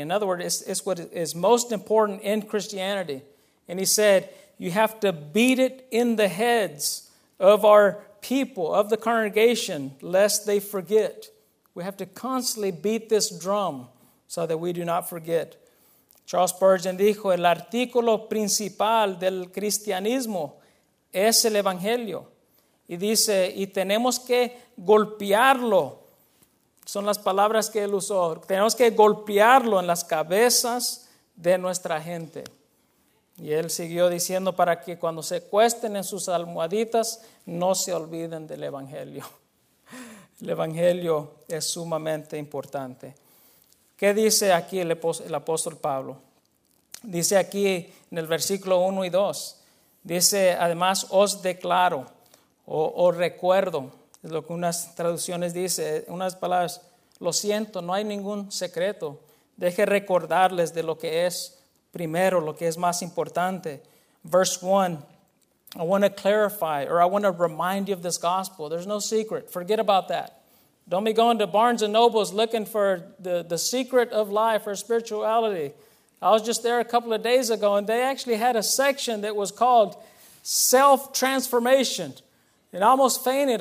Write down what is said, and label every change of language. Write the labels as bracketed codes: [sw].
[en] In other words, it's what is most important in Christianity. And he said, you have to beat it in the heads of our people, of the congregation, lest they forget. We have to constantly beat this drum so that we do not forget. [es] Charles Spurgeon dijo, el artículo principal del cristianismo es el evangelio. Y dice, y tenemos que golpearlo. Son las palabras que él usó. Tenemos que golpearlo en las cabezas de nuestra gente. Y él siguió diciendo, para que cuando se cuesten en sus almohaditas, no se olviden del evangelio. El evangelio es sumamente importante. ¿Qué dice aquí el apóstol Pablo? Dice aquí en el versículo 1 y 2. Dice, además, os declaro o recuerdo. Es lo que unas traducciones dice, unas palabras. Lo siento, no hay ningún secreto. Deje recordarles de lo que es primero, lo que es más importante. [en] Verse 1, I want to clarify or I want to remind you of this gospel. There's no secret. Forget about that. Don't be going to Barnes and Nobles looking for the secret of life or spirituality. I was just there a couple of days ago, and they actually had a section that was called self-transformation. It almost fainted.